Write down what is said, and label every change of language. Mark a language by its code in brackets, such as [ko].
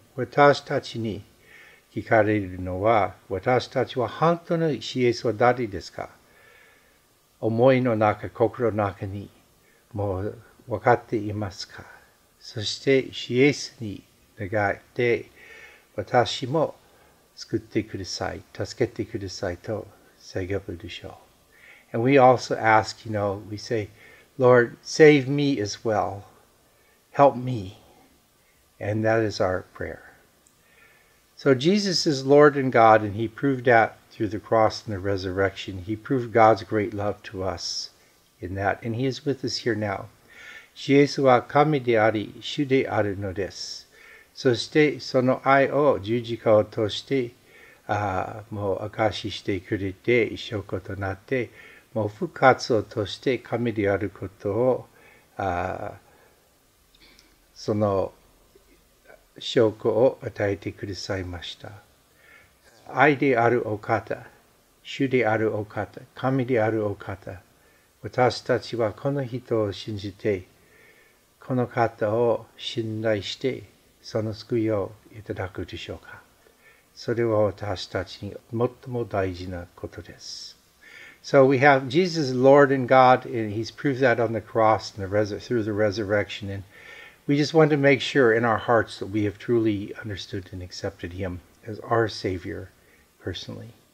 [ja] 私たちに聞かれるのは、私たちは本当にイエスは誰ですか？思いの中、心の中に、もう分かっていますか？そしてシエスに願って、私も救ってください、助けてくださいと叫ぶでしょう。 [en] And we also ask, you know, we say, Lord, save me as well. Help me. And that is our prayer. So Jesus is Lord and God, and he proved that through the cross and the resurrection. He proved God's great love to us in that, and he is with us here now. [ja] イエスは神であり、主であるのです。そして、その愛を十字架を通して、もう明かししてくれて、証拠となって、もう復活を通して神であることを、その証拠を与えてくださいました。愛であるお方、主であるお方、神であるお方、私たちはこの人を信じて、この方を信頼して、その救いをいただくでしょうか。それは私たちに最も大事なことです。 [en] So we have Jesus Lord and God, and he's proved that on the cross and through the resurrection. And we just want to make sure in our hearts that we have truly understood and accepted him as our Savior personally.